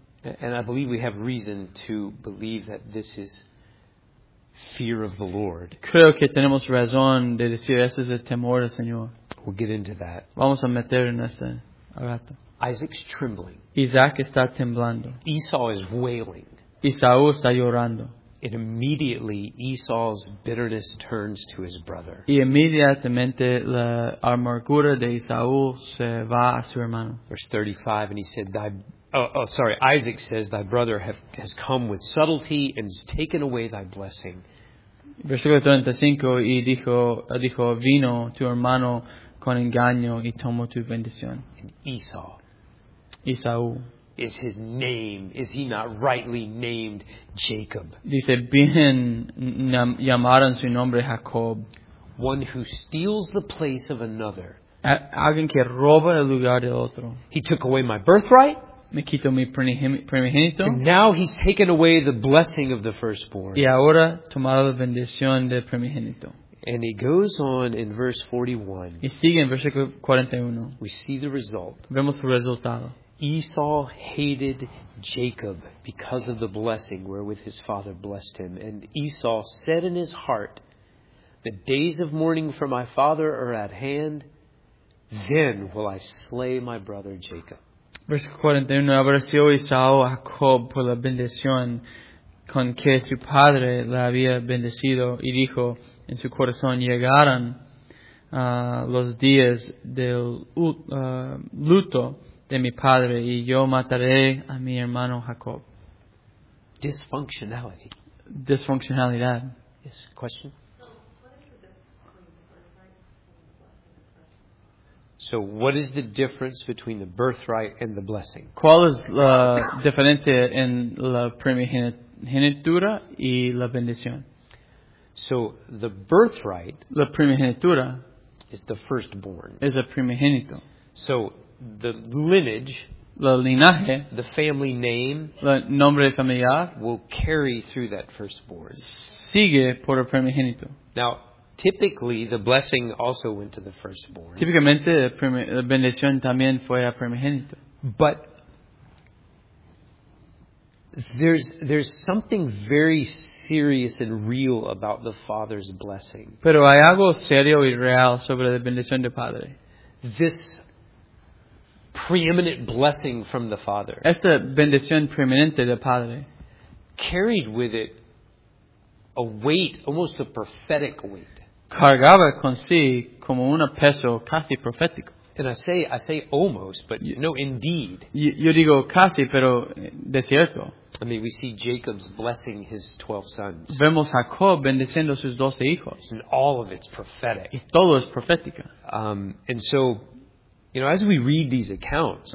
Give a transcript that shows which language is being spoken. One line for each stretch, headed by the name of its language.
English: And I believe we have reason to believe that this is fear of the Lord.
Spanish: Creo que tenemos razón de decir eso es el temor del Señor.
English: We'll get into that.
Spanish: Vamos a meter en esta. rato.
English: Isaac's trembling.
Spanish: Isaac está temblando.
English: Esau is wailing.
Spanish: Esau está llorando.
English: And immediately Esau's bitterness turns to his brother.
Spanish: Y inmediatamente la amargura de Esau se va a su hermano.
English: Verse 35, and he said, Isaac says, thy brother has come with subtlety and has taken away thy blessing.
Spanish: Versículo 35, y dijo, vino tu hermano con engaño y tomó tu bendición.
English: And Esau.
Spanish: Esau.
English: Is his name, is he not rightly named Jacob?
Spanish: Dice, bien llamaron su nombre Jacob.
English: One who steals the place of another.
Spanish: Alguien que roba el lugar de otro.
English: He took away my birthright.
Spanish: Me quitó mi primogénito.
English: And now he's taken away the blessing of the firstborn.
Spanish: Y ahora tomado la bendición del primogénito.
English: And he goes on in verse 41.
Spanish: Y sigue en versículo 41.
English: We see the result.
Spanish: Vemos el resultado.
English: Esau hated Jacob because of the blessing wherewith his father blessed him. And Esau said in his heart, the days of mourning for my father are at hand, then will I slay my brother Jacob.
Spanish: Versículo 41. Aborreció Esau a Jacob por la bendición con que su padre le había bendecido, y dijo en su corazón, llegaron los días del luto de mi padre, y yo mataré a mi hermano Jacob.
English: Dysfunctionality.
Spanish: Dysfunctionalidad.
English: Yes, question? So what is the difference between the birthright and the blessing?
Spanish: ¿Cuál es la diferencia en la primogenitura y la bendición?
English: So the birthright,
Spanish: la primogenitura,
English: is the firstborn.
Spanish: Es el primogénito.
English: So the lineage,
Spanish: la linaje,
English: the family name,
Spanish: la nombre familiar,
English: will carry through that firstborn.
Spanish: Sigue por el primogénito.
English: Now, typically, the blessing also went to the firstborn.
Spanish: Típicamente, la bendición también fue al primogénito.
English: But there's something very serious and real about the father's blessing.
Spanish: Pero hay algo serio y real sobre la bendición del padre.
English: This preeminent blessing from the father.
Spanish: Esta bendición preeminente del padre
English: carried with it a weight, almost a prophetic weight.
Spanish: Cargaba con sí como un peso casi profético.
English: And I say almost, but no, indeed.
Spanish: Yo digo casi, pero de cierto.
English: I mean, we see Jacob's blessing his 12 sons.
Spanish: Vemos a Jacob bendiciendo sus 12 hijos.
English: And all of it's prophetic.
Spanish: Y todo es profético.
English: And so, you know, as we read these accounts,